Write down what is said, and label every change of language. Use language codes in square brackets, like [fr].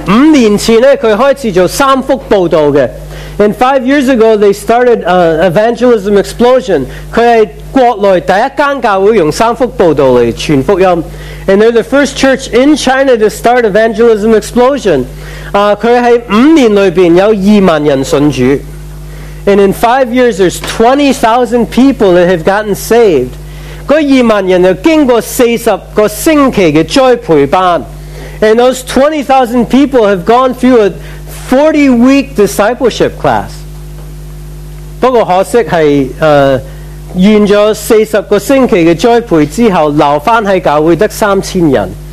[zh] 5年前咧，佢開始做三福報道嘅。 [en] And 5 years ago, they started evangelism explosion. [zh] 佢係國內第一間教會用三福報道嚟傳福音。 [en] And they're the first church in China to start evangelism explosion. [zh] 佢喺5年裏邊有20,000人信主。 [en] And in 5 years, there's 20,000 people that have gotten saved. [zh] 那20,000人就经过40个星期的栽培班。 [en] And those 20,000 people have gone through a 40-week discipleship class. [zh] 不过可惜是完了40个星期的栽培之后，留在教会只有3,000人。